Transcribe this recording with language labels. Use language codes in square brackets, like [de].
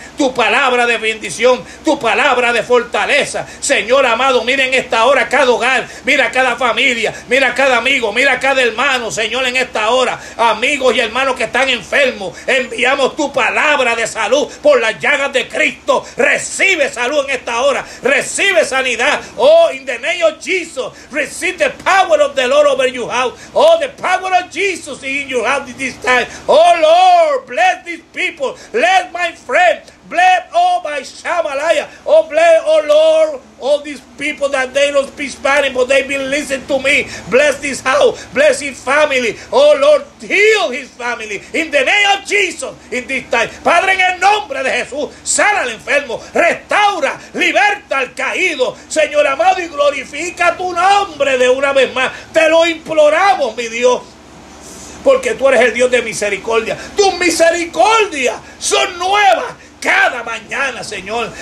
[es] tu palabra de bendición, tu palabra de fortaleza. Señor amado, mira en esta hora cada hogar, mira cada familia, mira cada amigo, mira cada hermano, Señor, en esta hora, amigos y hermanos que están enfermos, enviamos tu palabra de salud por las llagas de Cristo. Recibe salud en esta hora, recibe sanidad. [en] Oh, in the name of Jesus, receive the power of the Lord over your house. Oh, the power of Jesus in your house this time. Oh Lord, bless these people. Bless my friend. Bless, oh my Shamalaya. Oh, bless, oh Lord, all these people that they don't speak Spanish, but they've been listening to me. Bless this house. Bless his family. Oh Lord, heal his family. In the name of Jesus, in this time. [es] Padre, en el nombre de Jesús, sana al enfermo, restaura, liberta al caído. Señor amado, y glorifica tu nombre de una vez más. Te lo imploramos, mi Dios. Porque tú eres el Dios de misericordia. Tus misericordias son nuevas cada mañana, Señor.